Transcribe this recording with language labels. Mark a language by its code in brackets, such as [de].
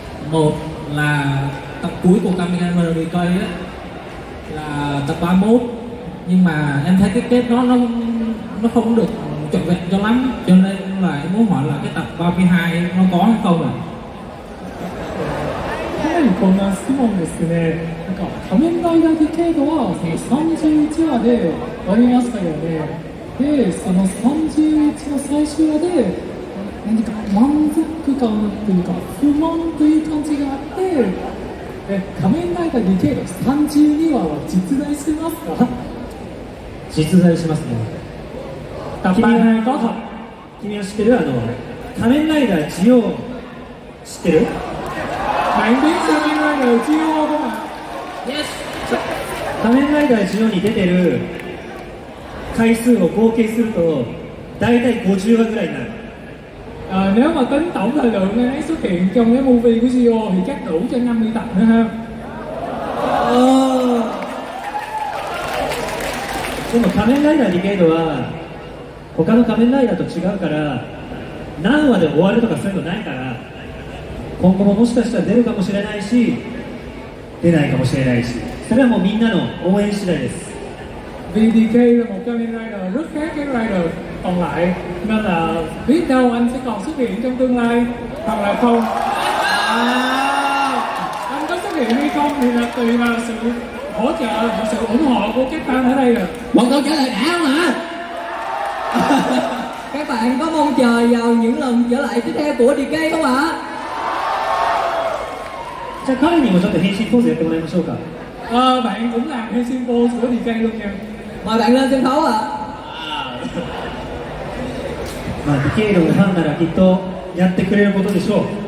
[vi] Một là tập cuối của Kamen Rider DK á là tập 31, nhưng mà em thấy cái kết nó không được chuẩn vẹn cho lắm, cho nên là em muốn hỏi là cái tập 32 nó có hay không ạ? [ja] Hey, こんな質問ですね。なんか仮面ライダー DK は31話でありましたよね。で、その31の最終話で何か満足感というか不満という感じがあって、仮面ライダー DK の32話は実在してますか？実在しますね。君は知ってる？あの仮面ライダージオン知ってる？マインディン仮面ライダージオンは [en] Yes! [ja] 仮面ライダージオンに出てる回数を合計すると大体50話ぐらいになる。 [vi] À, nếu mà tính tổng thời lượng nên ấy xuất hiện trong cái movie của CEO thì chắc đủ cho 50 tập nữa ha. Nhưng mà Kamen Rider Decade là [ja] 他の仮面ライダーと違うから何話で終わるとかそういうのないから、今後ももしかしたら出るかもしれないし出ないかもしれないし、それはもうみんなの応援次第です。 [vi] VDK là một Kamen Rider rất khác với Kamen Rider còn lại, nên là biết đâu anh sẽ còn xuất hiện trong tương lai hoặc là không. À, anh có xuất hiện hay không thì là tùy vào sự hỗ trợ, sự ủng hộ của các fan ở đây rồi. Bọn tôi trả lời đã không hả? Các bạn có mong chờ vào những lần trở lại tiếp theo của DK không ạ? [ja] じゃあ彼にもちょっと変身ポーズやってもらいましょうか。 [vi] あ、bạn cũng làm 変身ポーズ của DK luôn nha. Mời bạn lên sân khấu ạ. [ja] まあ、DK のファンならきっとやってくれることでしょう。